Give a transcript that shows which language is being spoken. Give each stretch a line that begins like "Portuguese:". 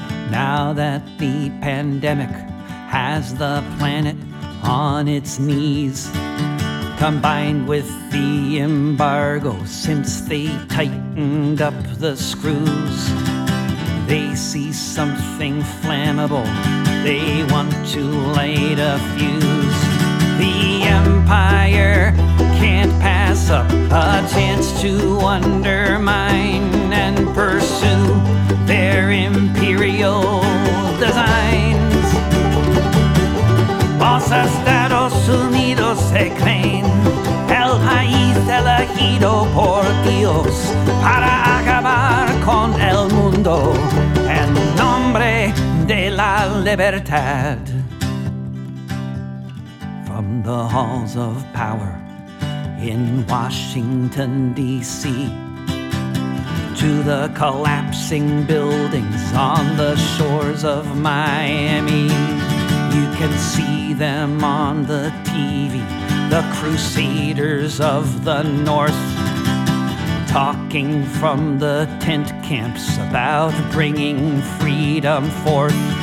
English: Now that the pandemic has the planet on its knees, combined with the embargo since they tightened up the screws, they see something flammable, they want to light a fuse. The empire can't pass up a chance to undermine and pursue their imperial designs.
Spanish: Los Estados Unidos se creen el país elegido por Dios para acabar con el mundo en nombre de la libertad.
English: From the halls of power in Washington, D.C., to the collapsing buildings on the shores of Miami, you can see them on the TV, the crusaders of the North, talking from the tent camps about bringing freedom forth.